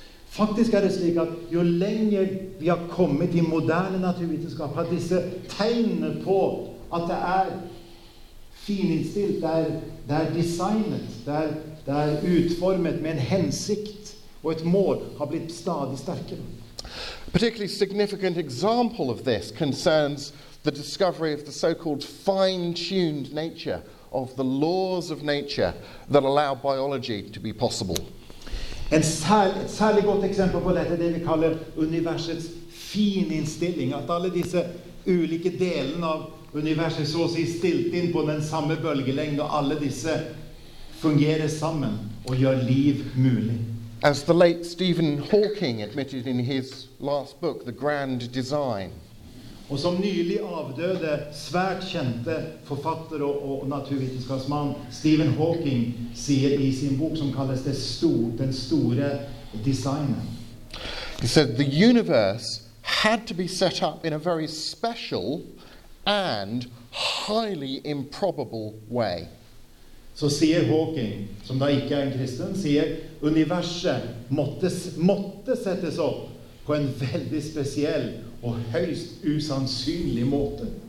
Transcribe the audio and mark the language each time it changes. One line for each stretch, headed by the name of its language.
Norwegian: Faktisk det slik at jo lenger vi har kommet I moderne naturvitenskap, har disse tegnene på at det fininnstilt, det designet, det utformet med en hensikt og et mål, har blitt stadig sterkere.
English: A particularly significant example of this concerns the discovery of the so-called fine-tuned nature of the laws of nature that allow biology to be possible.
Norwegian: Et særlig godt eksempel på dette det vi kaller universets fininnstilling, at alle disse ulike delene av universet så å si stilt inn på den samme bølgelengden, og alle disse fungerer sammen og gjør liv mulig.
English: As the late Stephen Hawking admitted in his last book, The Grand Design.
Norwegian: Og som nylig avdøde, svært kjente forfatter og naturvitenskapsmann, Stephen Hawking sier I sin bok som kalles Den Store Designen.
English: He said the universe had to be set up in a very special and highly improbable way.
Norwegian: Så sier Hawking, som da ikke en kristen, sier universet måtte settes opp på en veldig spesiell og høyst usannsynlig måte.